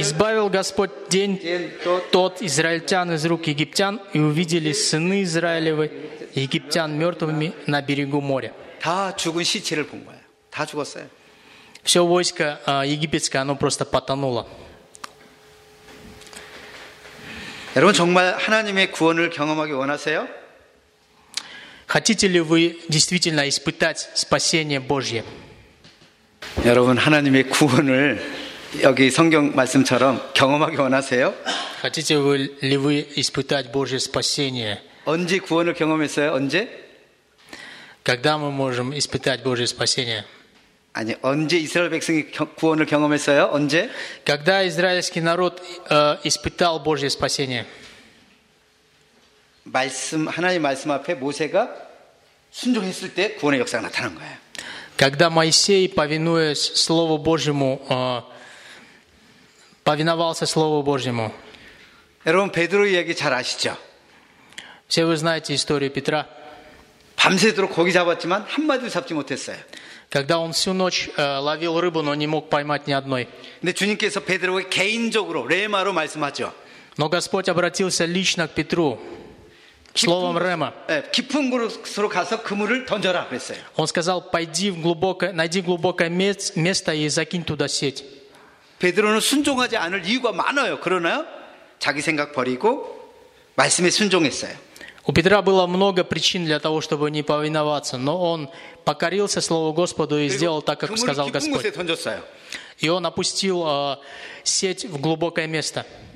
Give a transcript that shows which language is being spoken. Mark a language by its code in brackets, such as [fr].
[ru] Избавил Господь день тот израильтян из рук египтян, и увидели сыны Израилевы египтян мертвыми на берегу моря. [ko] 다 죽은 시체를 본 거야. 다 죽었어요. [ru] Все войско египетское, оно просто потонуло. [ko] 여러분, 정말 하나님의 구원을 경험하기 원하세요? [ru] Хотите ли вы действительно испытать спасение Божье? [ko] 여러분, 하나님의 구원을 여기 성경 말씀처럼 경험하기 원하세요? [ru] Хотите ли вы испытать Божье спасение? [ko] 언제 구원을 경험했어요? 언제? [ru] Когда мы можем испытать Божье спасение? [ko] 아니 언제 이스라엘 백성이 구원을 경험했어요? 언제? [ru] Когда израильский народ испытал Божье спасение? [ko] 말씀 하나님의 말씀 앞에 모세가 순종했을 때 구원의 역사가 나타난 거예요. [ru] Когда Моисей повинуясь слову Божьему повиновался слову Божьему. [ko] 여러분 베드로 이야기 잘 아시죠? [ru] Все вы знаете историю Петра. [ko] 밤새도록 거기 잡았지만 한 마디도 잡지 못했어요. [ru] Когда он всю ночь ловил рыбу, но не мог поймать ни одной. [ko] 근데 주님께서 베드로에게 개인적으로 레마로 말씀하죠. [ru] Но Господь обратился лично к Петру. Словом рема. [ko] 깊은 곳으로 가서 그물을 던져라 그랬어요. [ru] Он сказал: "Пойди в глубокое, найди глубокое место и закинь туда сеть". [ko] 베드로는 순종하지 않을 이유가 많아요. 그러나 자기 생각 버리고 말씀에 순종했어요. [ru] У Петра было много причин для того, чтобы не повиноваться, но он покорился Слову Господу и сделал так, как сказал Господь. И он опустил сеть в глубокое место.